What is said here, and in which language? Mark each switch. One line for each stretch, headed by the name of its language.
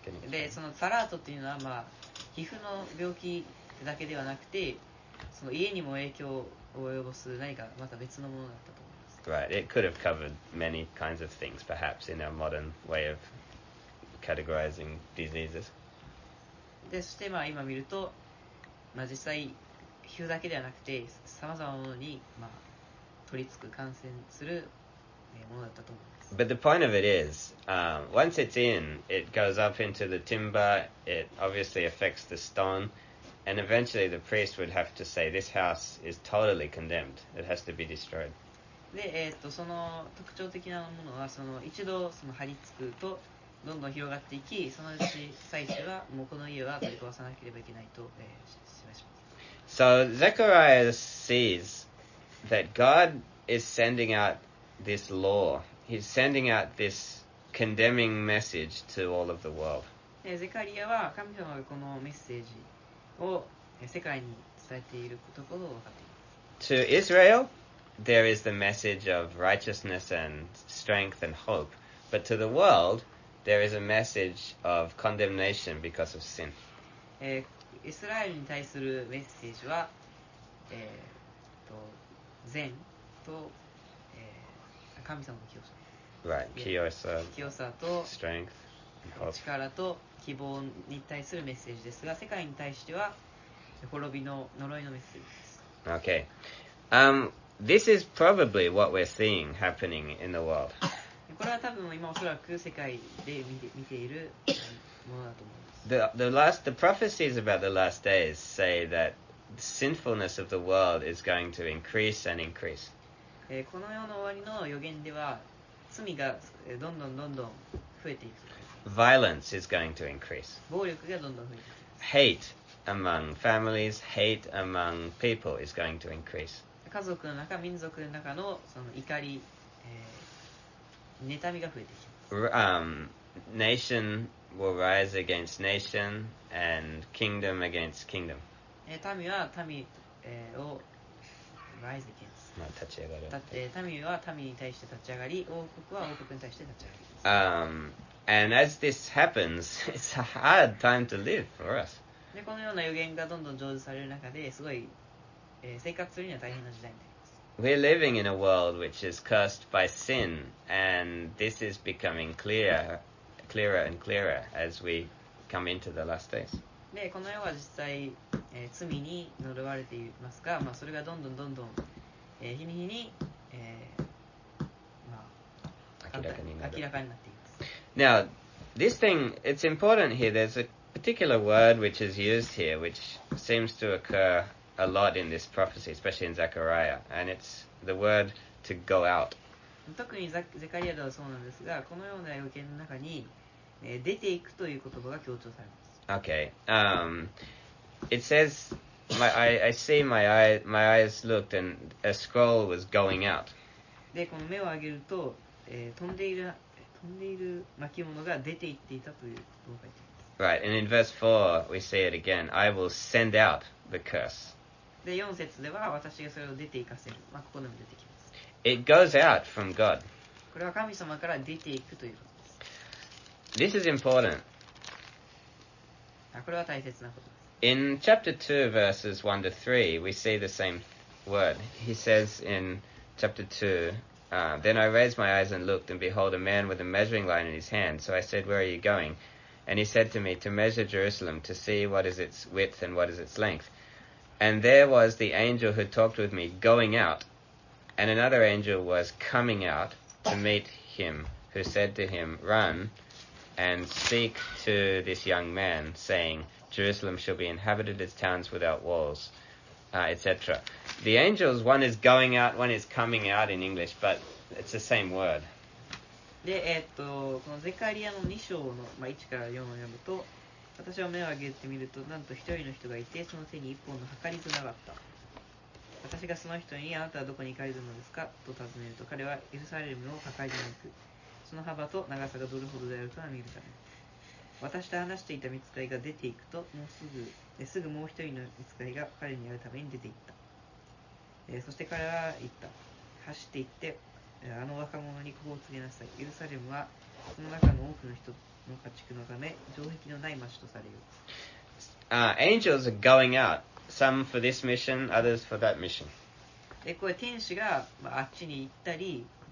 Japanese: で、そのサラートっていうのはまあ皮膚の病気だけではなくて。その家にも影響を及ぼす何かまた別のものだったと思います。
English: Right, it could have covered many kinds of things, perhaps in our modern way of categorizing diseases.
Japanese: で、そしてまあ今見ると、まあ実際皮膚だけではなくて様々なものにまあ取り付く感染するものだったと思います。
English: But the point of it is, once it's in, it goes up into the timber. It obviously affects the stone. And eventually the priest would have to say, this house is totally condemned. It has to be destroyed.
Japanese: で、その特徴的なものは、その一度その張り付くと、どんどん広がっていき、そのうち最初は、もうこの家は取り壊さなければいけないと、示します。
English: So Zechariah sees that God is sending out this law. He's sending out this condemning message to all of the world.
Japanese: で、ゼカリアは神様がこのメッセージを世界に伝えているところを分かっています。
English: To Israel, there is the message of righteousness and strength and hope. But to the world, there is a message of condemnation because of sin.
Japanese: イスラエルに対するメッセージは、善と、神様の清さ。
English: Right,
Japanese: 清さ。清さと
English: strength。
Japanese: 力と希望に対するメッセージですが、世界に対しては滅びの呪いのメッセージです。
English: Okay. This is probably what we're seeing happening in the world.
Japanese: これは多分今おそらく世界で見ているものだと思います。
English: The prophecies about the last days say that the sinfulness of the world is going to increase and increase.
Japanese: この世の終わりの予言では罪がどんどんどんどん増えていく。
English: Violence is going to increase.
Japanese: 暴力がどんどん増えていく。
English: Hate among families, hate among people is going to increase.
Japanese: 家族の中、民族の中のその怒り、妬みが増えていく。
English: Nation will rise against nation and kingdom against kingdom.
Japanese: 民は民を
English: rise against.
Japanese: まあ立ち上がる。民は民に対して立ち上がり、王国は王国に対して立ち上がります。
English: And as this happens, it's a hard time to live for us.
Japanese: でこのような予言がどんどん成就される中で、すごい、生活するには大変な時代になります。
English: We're living in a world which is cursed by sin, and this is becoming clearer and clearer as we come into the last days.
Japanese: でこの世は実際、罪に呪われていますが、まあ、それがどんどんどんどん、日に日に、まあ、明らかになっていく。
English: Now, this thing, it's important here, there's a particular word which is used here, which seems to occur a lot in this prophecy, especially in Zechariah, and it's the word to go out.
Japanese: 特にゼカリアではそうなんですが、このような予言の中に、出ていくという言葉が強調されます。
English: Okay. It says, I see my eyes looked and a scroll was going out.
Japanese: で、この目を上げると、飛んでいる巻物が出て行っていたというところがあります。
English: Right, and in verse 4, we see it again. I will send out the curse.
Japanese: で、4節では私がそれを出て行かせる。まあ、ここでも出てきます。
English: It goes out from God.
Japanese: これは神様から出て行くということです。
English: This is important.
Japanese: これは大切なことです。
English: In chapter 2, verses 1 to 3, we see the same word. He says in chapter 2,Then I raised my eyes and looked, and behold, a man with a measuring line in his hand. So I said, Where are you going? And he said to me, To measure Jerusalem, to see what is its width and what is its length. And there was the angel who talked with me going out, and another angel was coming out to meet him, who said to him, Run and speak to this young man, saying, Jerusalem shall be inhabited as towns without walls. Etc. The angels, one is going out, one is coming out in English, but it's the same word.
Japanese: で、このゼカリアの2章の、まあ、1から4を読むと、私は目を上げてみると、なんと一人の人がいて、その手に一本のはかり綱があった。私がその人に、あなたはどこに行かれるのですかと尋ねると、彼はエルサレムをはかりに行く。その幅と長さがどれほどであるかは見るため。私と話していた御使いが出ていくと、すぐもう一人の御使いが彼に会うために出ていった。そして彼は言った。走って行って、あの若者にここを告げなさい。エルサレムは、その中の多くの人の家畜のため、城壁のない町とされる。
English: Angels are going out. Some for this mission, others for that mission.
Japanese: で、これ天使が、まあ、あっちに行ったり、